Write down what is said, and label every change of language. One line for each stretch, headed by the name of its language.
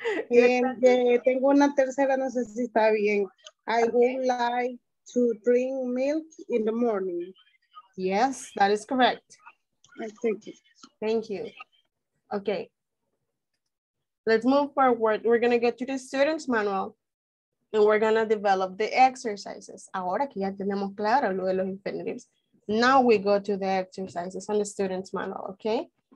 Spanish: Tengo una tercera, no sé si está bien.
English: I would like to drink milk in the morning. Yes, that is correct. Thank you. Thank you. Okay. Let's move forward. We're going to get to the student's manual and we're going to develop the exercises.
Spanish: Ahora que ya tenemos claro lo de los infinitives.
English: Now we go to the exercises on the student's manual, okay?